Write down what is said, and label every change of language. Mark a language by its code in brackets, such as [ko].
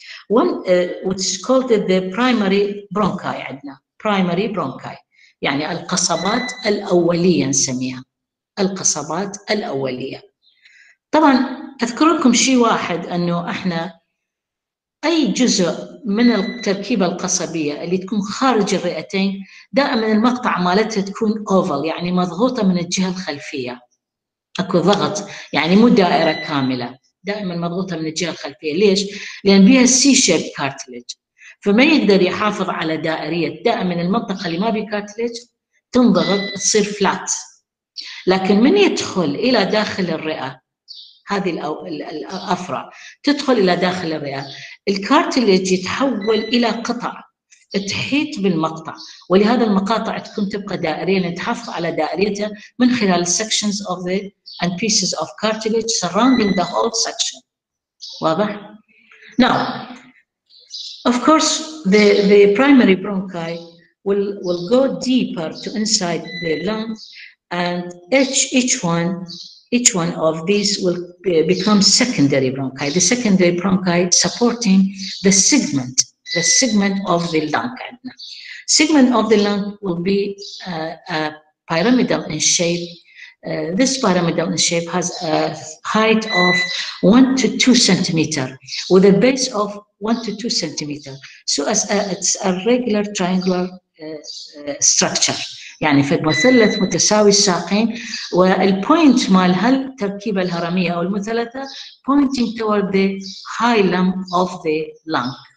[en] One, which is called the primary bronchi, Edna. Primary bronchi. [ar] يعني القصبات الأولية نسميها. القصبات الأولية. طبعا أذكر لكم شيء واحد أنه إحنا أي جزء من التركيبة القصبية اللي تكون خارج الرئتين دائما المقطع مالتها تكون أوفل يعني مضغوطة من الجهة الخلفية. أكو ضغط يعني مو دائرة كاملة دائما مضغوطة من الجهة الخلفية. ليش؟ لأن بيها سي شيب كارتليج فما يقدر يحافظ على دائرية دائما المنطقة اللي ما بي كارتليج تنضغط تصير فلات. لكن من يدخل إلى داخل الرئة هذه الأفرع تدخل إلى داخل الرئة الكارتليج يتحول إلى قطع تحيط بالمقطع ولهذا المقاطع تكون تبقى دائرية تحافظ على دائريتها من خلال [en] sections of the and pieces of cartilage surrounding the whole section. [ar] واضح؟ [en] Now, of course, the primary bronchi will go deeper to inside the lung and each one of these will become secondary bronchi. The secondary bronchi supporting the segment of the lung. Segment of the lung will be a pyramidal in shape. This pyramidal in shape has a height of 1 to 2 centimeters with a base of 1 to 2 centimeters. So as it's a regular triangular structure. [ar] يعني في المثلث متساوي الساقين والpoint مال هالتركيبة الهرمية أو المثلثة [en] pointing toward the hilum of the lung.